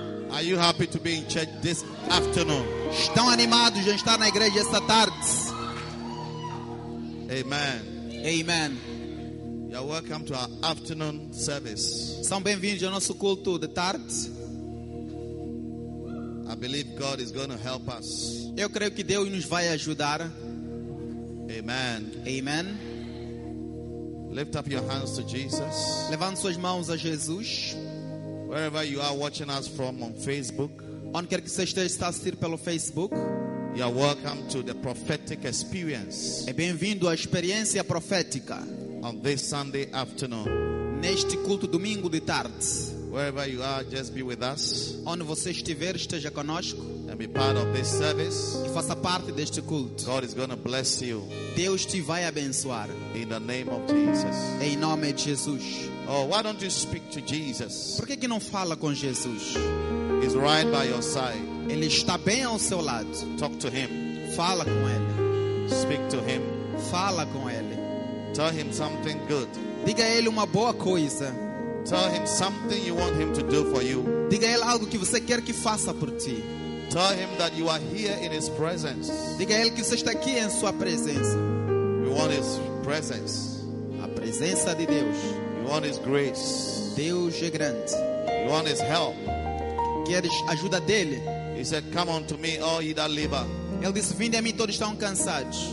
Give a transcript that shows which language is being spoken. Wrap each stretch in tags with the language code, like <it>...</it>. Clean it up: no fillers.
<en>Are you happy to be in church this afternoon?</en> <pt>Estão animados de estar na igreja esta tarde?</pt> <en>Amen. Amen. You are welcome to our afternoon service.</en> <pt>São bem-vindos ao nosso culto de tarde.</pt> <en>I believe God is going to help us.</en> <pt>Eu creio que Deus nos vai ajudar.</pt> <en>Amen. Amen. Lift up your hands to Jesus.</en> <pt>Levante suas mãos a Jesus.</pt> <en>Wherever you are watching us from on Facebook.</en> <pt>Onde quer que você esteja assistindo pelo Facebook.</pt> <en>You are welcome to the prophetic experience.</en> <pt>É bem-vindo à experiência profética.</pt> <en>On this Sunday afternoon.</en> <pt>Neste culto domingo de tarde.</pt> <en>Wherever you are, just be with us.</en> <pt>Onde você estiver, esteja conosco.</pt> <en>And be part of this service.</en> <pt>E faça parte deste culto.</pt> <en>God is going to bless you.</en> <pt>Deus te vai abençoar.</pt> <en>In the name of Jesus.</en> <pt>Em nome de Jesus.</pt> <en>Oh, why don't you speak to Jesus?</en> <pt>Por que não fala com Jesus?</pt> <en>He's right by your side.</en> <pt>Ele está bem ao seu lado.</pt> <en>Talk to him.</en> <pt>Fala com ele.</pt> <en>Speak to him.</en> <pt>Fala com ele.</pt> <en>Tell him something good.</en> <pt>Diga a ele uma boa coisa.</pt> <en>Tell him something you want him to do for you.</en> <pt>Diga a ele algo que você quer que faça por ti.</pt> <en>Tell him that you are here in his presence.</en> <pt>Diga a ele que você está aqui em sua presença.</pt> <en>You want his presence.</en> <pt>A presença de Deus.</pt> <en>You want his grace.</en> <pt>Deus é grande.</pt> <en>You want his help.</en> <pt>Queres ajuda dele?</pt> <en>He said, "Come unto me, all ye that labor."</en> <pt>Ele disse, "Vinde a mim todos estão cansados."</pt>